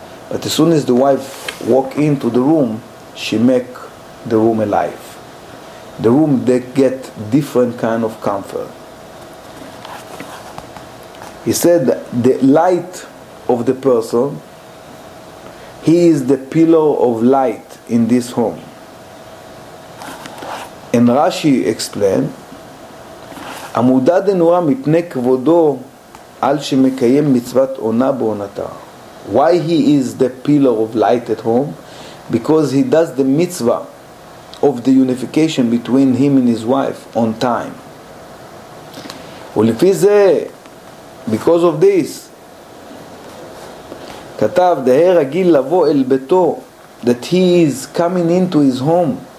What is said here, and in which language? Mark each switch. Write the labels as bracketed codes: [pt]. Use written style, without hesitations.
[en] But as soon as the wife walk into the room, she make the room alive. The room, they get different kind of comfort. He said the light of the person, he is the pillar of light in this home. And Rashi explained, [he] עמודה דנורה מפני כבודו על שמקיים מצוות עונה בעונתה. [en] Why he is the pillar of light at home? Because he does the mitzvah of the unification between him and his wife on time. [he] ולפי זה, [en] because of this, [he] כתב, דהי רגיל לבוא אל ביתו, [en] that he is coming into his home.